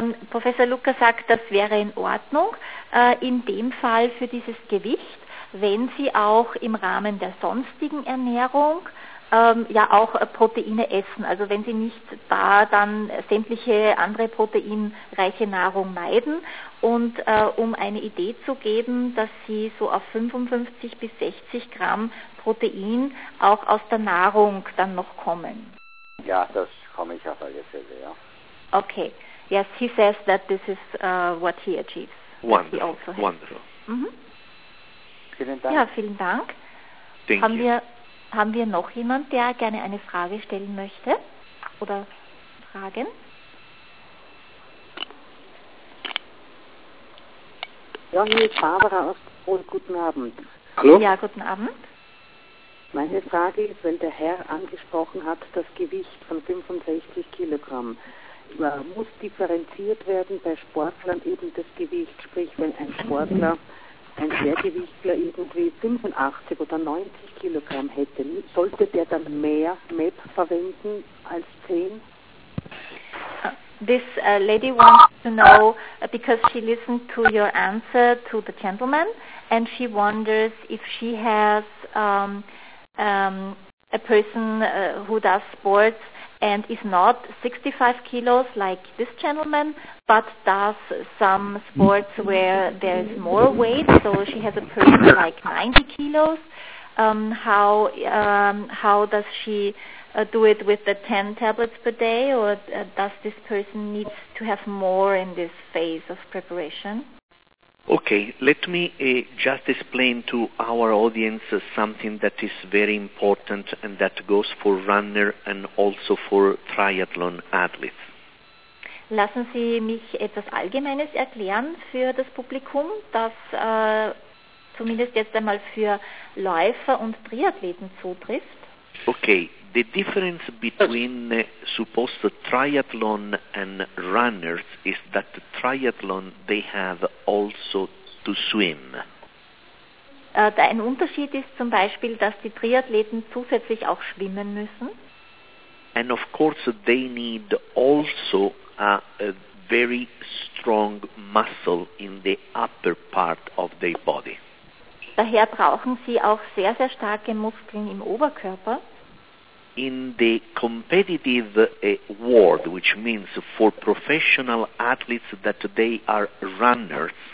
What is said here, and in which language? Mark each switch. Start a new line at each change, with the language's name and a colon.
German: Professor Luca sagt, das wäre in Ordnung, in dem Fall für dieses Gewicht, wenn Sie auch im Rahmen der sonstigen Ernährung auch Proteine essen, also wenn Sie nicht da dann sämtliche andere proteinreiche Nahrung meiden. Und um eine Idee zu geben, dass Sie so auf 55 bis 60 Gramm Protein auch aus der Nahrung dann noch kommen. Ja, das komme ich auf alle Fälle, ja.
English: Okay, yes, he says that this is what he achieves. Wonderful, he also has. Wonderful.
German: Mm-hmm. Vielen Dank. Ja, vielen Dank.
English: Thank
German: haben
English: you.
German: Haben wir noch jemand, der gerne eine Frage stellen möchte? Oder Fragen? Ja, hier ist Barbara aus Tirol. Guten Abend. Hallo? Ja, guten Abend. Meine Frage ist, wenn der Herr angesprochen hat, das Gewicht von 65 Kilogramm, muss differenziert werden bei Sportlern eben das Gewicht, sprich wenn ein Sportler, ein Schwergewichtler irgendwie 85 oder 90 Kilogramm hätte, sollte der dann mehr MEP verwenden als 10?
English: This lady wants to know, because she listened to your answer to the gentleman, and she wonders if she has a person who does sports and is not 65 kilos like this gentleman, but does some sports where there's more weight, so she has a person like 90 kilos. how does she do it with the 10 tablets per day, or does this person need to have more in this phase of preparation? Okay, let me just explain to our audience something that is very important and that goes for runner and also for triathlon athletes.
German: Lassen Sie mich etwas Allgemeines erklären für das Publikum, das zumindest jetzt einmal für Läufer und Triathleten zutrifft.
English: Okay, the difference between supposed triathlon and runners is that the triathlon, they have also to swim.
German: Ein Unterschied ist zum Beispiel, dass die Triathleten zusätzlich auch schwimmen müssen.
English: And of course they need also a very strong muscle in the upper part of their body.
German: Daher brauchen sie auch sehr, sehr starke Muskeln im Oberkörper.
English: In the competitive world, which means for professional athletes that they are runners.